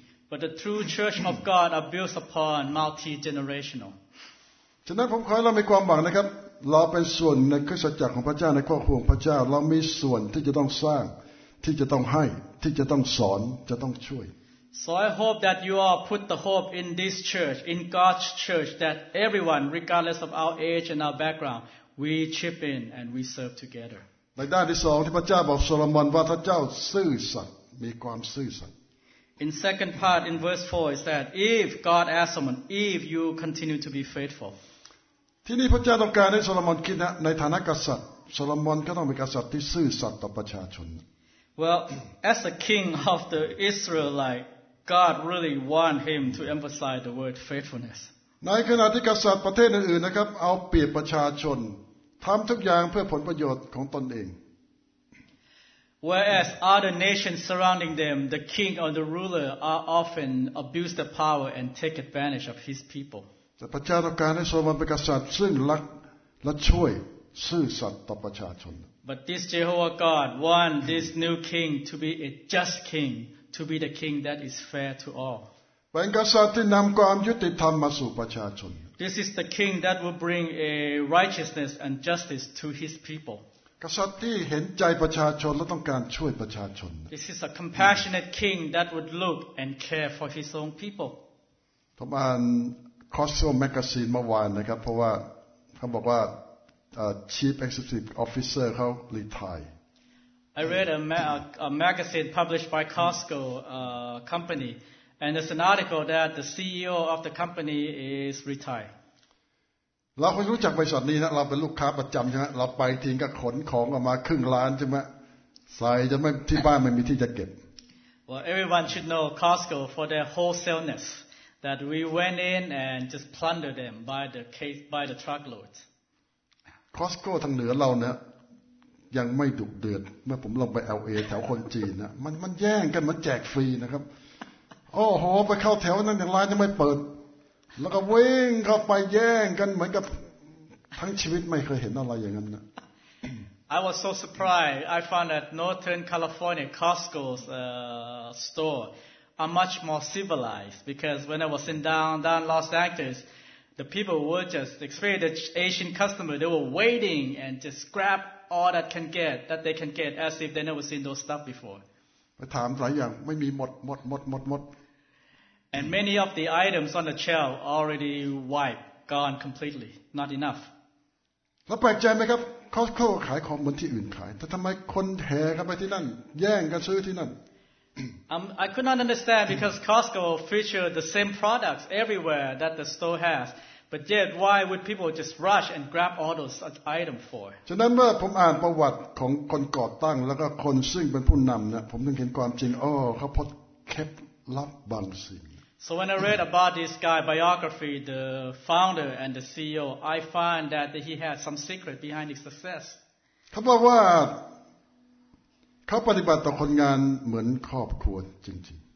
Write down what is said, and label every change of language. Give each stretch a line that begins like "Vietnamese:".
English: But the true church of God are built upon multi-generational.
Thai: ฉะนั้นผมขอให้เรามีความหวังนะครับเราเป็นส่วนในคริสตจักรของพระเจ้าในครอบครัวของพระเจ้าเรามีส่วนที่จะต้องสร้างที่จะต้องให้ที่จะต้องสอนจะต้องช่วย
English: So I hope that you all put the hope in this church, in God's church, that everyone, regardless of our age and our background, we chip in and we serve together.
Thai: ในด้านที่สองที่พระเจ้าบอกโซโลมอนว่าถ้าเจ้าซื่อสัตย์มีความซื่อสัตย์
English: In second part, in verse 4, it said, if God asks someone, if you continue to be faithful.
Thai: ที่นี่พระเจ้าต้องการให้โซโลมอนคิดนะในฐานะกษัตริย์โซโลมอนก็ต้องเป็นกษัตริย์ที่ซื่อสัตย์ต่อประชาชน
English: Well, as a king of the Israelite, God really wanted him to emphasize the word faithfulness.
Thai: ในขณะที่กษัตริย์ประเทศอื่นๆนะครับเอาเปรียบประชาชนทำทุกอย่างเพื่อผลประโยชน์ของตนเอง
English: Whereas other nations surrounding them, the king or the ruler are often abuse the power and take advantage of his people.
Thai: พระเจ้าต้องการให้โซโลมอนเป็นกษัตริย์ซึ่งรักและช่วยซื่อสัตย์ต่อประชาชน
English: But this Jehovah God wants this new king to be a just king, to be the king that is fair to all.
Thai: เป็นกษัตริย์ที่นำความยุติธรรมมาสู่ประชาชน
English: This is the king that will bring a righteousness and justice to his people.
Thai: กษัตริย์ที่เห็นใจประชาชนและต้องการช่วยประชาชน
English: This is a compassionate king that would look and care for his own people.
Thai: ผมอ่านคอสโซ่ Magazine เมื่อวานนะครับเพราะว่าเขาบอกว่าchief executive officer เขา retire
English: I read a magazine published by Costco company and there's an article that the CEO of the company is retired
Thai: เราคงรู้จักบริษัทนี้นะเราเป็นลูกค้าประจำใช่ไหมเราไปทิ้งก็ขนของออกมาครึ่งล้านใช่ไหมใส่จะไม่ที่บ้านไม่มีที่จะเก็บ
English: Well everyone should know Costco for their wholesaleness that we went in and just plunder them by the case by the truckloads
Thai: Cosco ทางเหนือเราเนี่ยยังไม่ดุเดือดเมื่อผมลงไป LA แถวคนจีนนะมันแย่งกันมาแจกฟรีนะครับโอ้โหไปเข้าแถวนั้นอย่างร้านยังไม่เปิดแล้วก็วิ่งเข้าไปแย่งกันเหมือนกับทั้งชีวิตไม่เคยเห็นอะไรอย่างนั้นนะ
English: I was so surprised I found that Northern California Costco's store are much more civilized because when I was in downtown Los Angeles The people were just experienced the Asian customer. They were waiting and just grab all that can get that they can get as if they never seen those stuff before.
Thai: ไปถามหลายอย่างไม่มีหมด
English: And many of the items on the shelf already wiped, gone completely, not enough.
Thai: แล้วแปลกใจไหมครับCostco ขายของเหมือนที่อื่นขายแต่ทำไมคนแห่กันไปที่นั่นแย่งกันซื้อที่นั่น
English: I could not understand because Costco featured the same products everywhere that the store has, but yet why would people just rush and grab all those items for?
Thai: ฉะนั้นเมื่อผมอ่านประวัติของคนก่อตั้งแล้วก็คนซึ่งเป็นผู้นำเนี่ยผมถึงเห็นความจริงอ๋อเขาพกแคปลับบางสิ่ง
English: So when I read about this guy's biography, the founder and the CEO, I find that he had some secret behind his success.
Thai: เขาบอกว่าเขาปฏิบัติต่อคนงานเหมือนครอบครัวจริง